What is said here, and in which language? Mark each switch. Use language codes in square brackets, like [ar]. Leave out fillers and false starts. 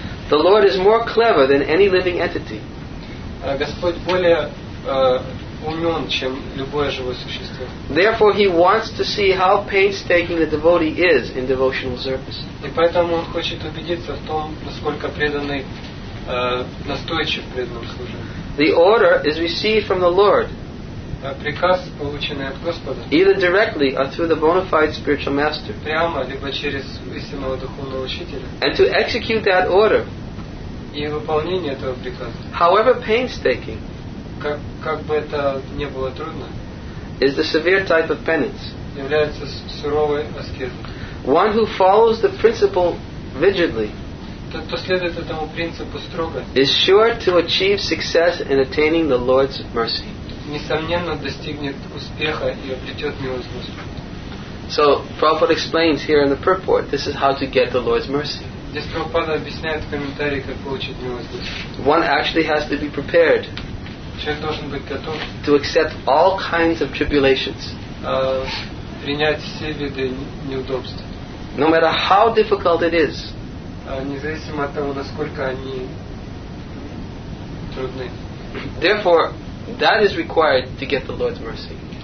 [en] The Lord is more clever than any living entity. [ru] Господь более умен, чем любое живое существо. [en] Therefore, He wants to see how painstaking the devotee is in devotional service. [ru] И поэтому Он хочет убедиться в том, насколько преданный настойчив в преданном служении. [en] The order is received from the Lord. [ru] Приказ, полученный от Господа. [en] Either directly or through the bona fide spiritual master. [ru] Прямо либо через истинного духовного учителя. [en] And to execute that order. [ru] И выполнение этого приказа. [en] However painstaking. [ru] Как бы это не было трудно. [en] Is the severe type of penance. [ru] Является суровой аскезой. [en] One who follows the principle rigidly. [ru] Тот, кто следует этому принципу строго. [en] Is sure to achieve success in attaining the Lord's mercy. [ru] Несомненно достигнет успеха и обретет милость Господа. [en] So Prabhupada explains here in the purport, this is how to get the Lord's mercy. [ru] Здесь Прабхупада объясняет в комментарии, как получить милость Господа. [en] One actually has to be prepared. [ru] Человек должен быть готов. [en] To accept all kinds of tribulations. [ru] Принять все виды неудобств. [en] No matter how difficult it is. [ru] Независимо от того, насколько они трудны. [en] Therefore, that is required to get the Lord's mercy.